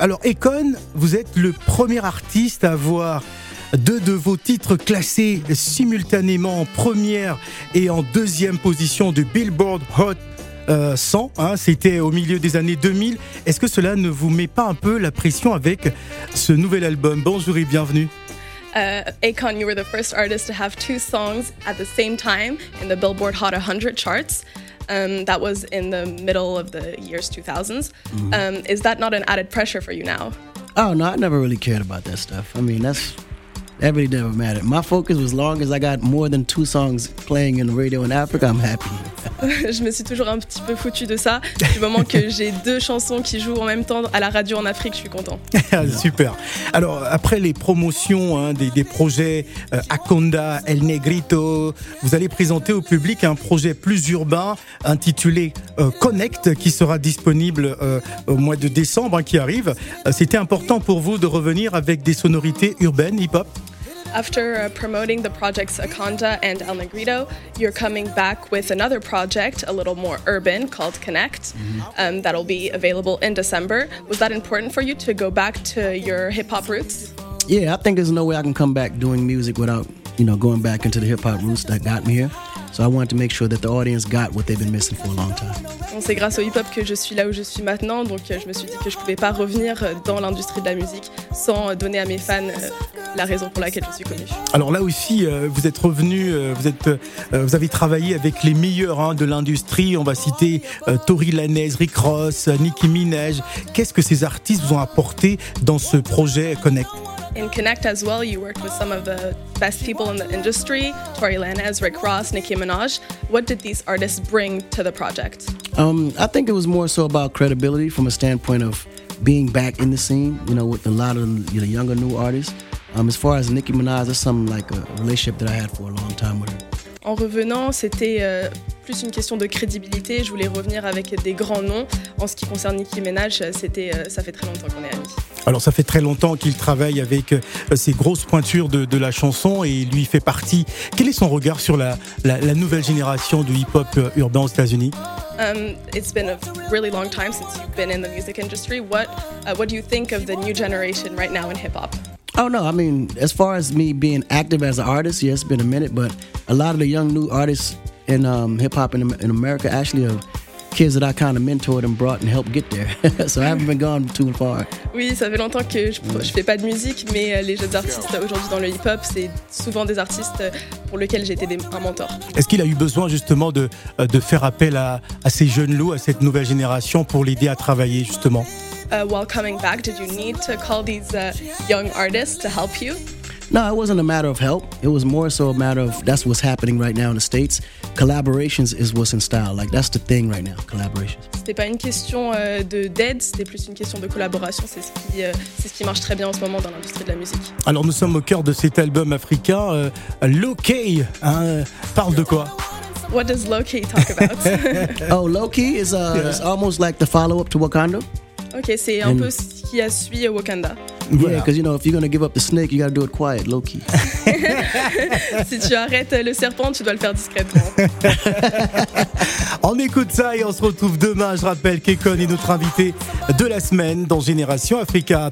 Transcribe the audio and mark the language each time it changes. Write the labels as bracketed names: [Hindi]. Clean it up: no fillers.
[French] Alors Econ, vous êtes le premier artiste à avoir deux de vos titres classés simultanément en première et en deuxième position de Billboard Hot 100, hein, c'était au milieu des années 2000. Est-ce que cela ne vous met pas un peu la pression avec ce nouvel album ? Bonjour et bienvenue. [English] Akon, you were the first artist to have two songs at the same time in the Billboard Hot 100 charts. That was in the middle of the years 2000s. Mm-hmm. Is that not an added pressure for you now? Oh, no, I never really cared about that stuff. I mean, that's... Everybody never mattered. My focus was long as I got more than two songs playing in the radio in Africa, I'm happy. [French] Je me suis toujours un petit peu foutu de ça. Du moment que j'ai deux chansons qui jouent en même temps à la radio en Afrique, je suis content. Super. Alors, après les promotions hein, des projets Akonda, El Negrito, vous allez présenter au public un projet plus urbain intitulé Connect, qui sera disponible au mois de décembre hein, qui arrive. C'était important pour vous de revenir avec des sonorités urbaines, hip-hop? [English] After promoting the projects Akonda and El Negrito, you're coming back with another project, a little more urban, called Connect, that'll be available in December. Was that important for you to go back to your hip-hop roots? Yeah, I think there's no way I can come back doing music without, you know, going back into the hip-hop roots that got me here. So I wanted to make sure that the audience got what they've been missing for a long time. [French] C'est grâce au hip-hop que je suis là où je suis maintenant, donc je me suis dit que je pouvais pas revenir dans l'industrie de la musique sans donner à mes fans la raison pour laquelle je suis connue. Alors là aussi, vous êtes revenu, vous avez travaillé avec les meilleurs hein, de l'industrie. On va citer Tory Lanez, Rick Ross, Nicki Minaj. Qu'est-ce que ces artistes vous ont apporté dans ce projet Connect? [English] In Connect as well, you worked with some of the best people in the industry, Tory Lanez, Rick Ross, Nicki Minaj. What did these artists bring to the project? I think it was more so about credibility from a standpoint of being back in the scene, you know, with a lot of you know, younger, new artists. As far as Nicki Minaj, that's something like a relationship that I had for a long time with her. [French] En revenant, c'était plus une question de crédibilité. Je voulais revenir avec des grands noms. En ce qui concerne Nicki Minaj, c'était, ça fait très longtemps qu'on est amis. Alors, ça fait très longtemps qu'il travaille avec ces grosses pointures de la chanson et lui fait partie. Quel est son regard sur la nouvelle génération du hip-hop urbain aux États-Unis? [English] It's been a really long time since you've been in the music industry. What do you think of the new generation right now in hip-hop? Oh no, I mean, as far as me being active as an artist, yeah, it's been a minute, but a lot of the young new artists in hip-hop in America actually are kids that I kind of mentored and brought and helped get there. So I haven't been gone too far. [French] Oui, ça fait longtemps que je fais pas de musique, mais les jeunes artistes aujourd'hui dans le hip-hop, c'est souvent des artistes pour lesquels j'ai été un mentor. Est-ce qu'il a eu besoin justement de faire appel à ces jeunes loups, à cette nouvelle génération pour l'aider à travailler justement? [English] While coming back, did you need to call these young artists to help you? No, it wasn't a matter of help. It was more so a matter of that's what's happening right now in the States. Collaborations is what's in style. Like, that's the thing right now, collaborations. [French] C'était pas une question d'aide, c'était plus une question de collaboration. C'est ce qui marche très bien en ce moment dans l'industrie de la musique. Alors, nous sommes au cœur de cet album africain. Lokey hein, parle de quoi? [English] What does Lokey talk about? Oh, Lokey is it's almost like the follow-up to Wakanda. [French] Okay, c'est un peu ce qui a suivi Wakanda. [English] Yeah, because you know, if you're gonna give up the snake, you gotta do it quiet, low key. [French] Si tu arrêtes le serpent, tu dois le faire discrètement. On écoute ça et on se retrouve demain. Je rappelle qu'Econ est notre invité de la semaine dans Génération Africa.